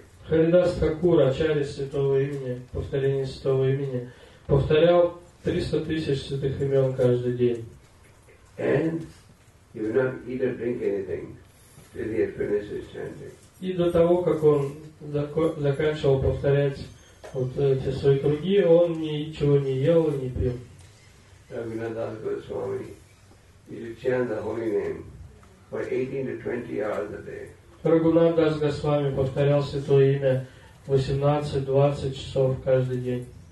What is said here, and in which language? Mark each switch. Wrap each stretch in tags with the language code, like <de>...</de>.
<ru>Харидас Такур, Ачарья Святого Имени, повторение Святого Имени, повторял 300 тысяч святых имен каждый день.</ru> <en>And he would not eat or drink anything till he had finished his chanting.</en> <ru>И до того, как он заканчивал повторять вот эти свои круги, он ничего не ел и не пил.</ru> <en>Рагхунатдас Госвами, he would chant the holy name for 18 to 20 hours a day.</en> <ru>Рагхунатдас Госвами повторял Святое Имя 18-20 часов каждый день.</ru>